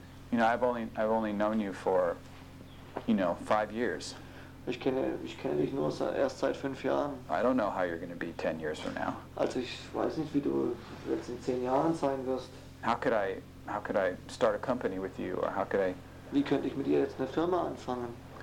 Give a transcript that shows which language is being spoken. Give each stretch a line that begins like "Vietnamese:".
English: You know, I've only known you for, you know, 5 years.
German: Ich kenne dich nur erst seit 5 Jahren.
English: I don't know how you're going to be 10 years from now.
German: Also ich weiß nicht, wie du jetzt in 10 Jahren sein wirst.
English: How could I start a company with you, or how could I?
German: Wie könnte ich mit dir jetzt eine Firma anfangen?